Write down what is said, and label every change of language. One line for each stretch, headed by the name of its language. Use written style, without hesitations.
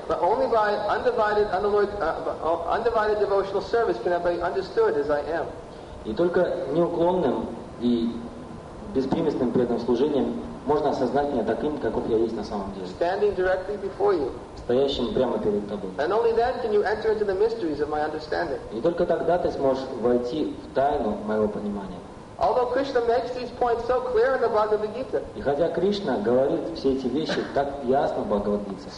English: But only by undivided devotional service can I be understood as I am.
Russian: И только неуклонным и беспримесным преданным служением можно осознать меня таким, каков я есть на самом деле.
English: Standing directly before you.
Russian: Стоящим прямо перед тобой.
English: And only then can you enter into the mysteries of my understanding.
Russian: И только тогда ты сможешь войти в тайну моего понимания.
English: Although Krishna makes these points so clear in the Bhagavad Gita,
Russian: и хотя Кришна говорит все эти вещи так ясно в Бхагавад Гите,